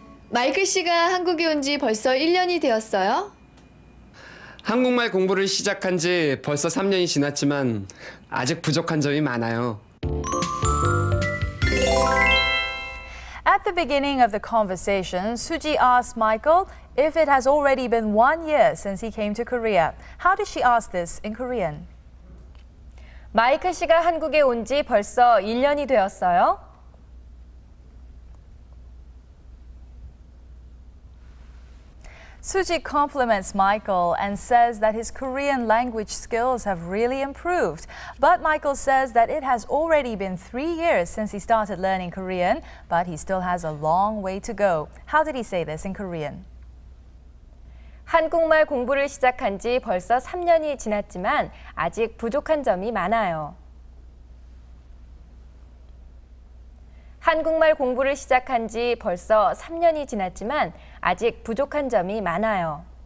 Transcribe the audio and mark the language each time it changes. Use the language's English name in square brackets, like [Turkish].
[Korean] Michael 씨가 한국에 온 지 벌써 1년이 되었어요? 한국말 공부를 시작한 지 벌써 3년이 지났지만 아직 부족한 점이 많아요. [English] At the beginning of the conversation, Suji asked Michael if it has already been 1 year since he came to Korea. How does she ask this in Korean? [Korean] 마이클 씨가 한국에 온 지 벌써 1년이 되었어요? [English] 수지 compliments Michael and says that his Korean language skills have really improved. But Michael says that it has already been 3 years since he started learning Korean, but he still has a long way to go. How did he say this in Korean? [Korean] 한국말 공부를 시작한 지 벌써 3년이 지났지만 아직 부족한 점이 많아요. 한국말 공부를 시작한 지 벌써 3년이 지났지만 아직 부족한 점이 많아요.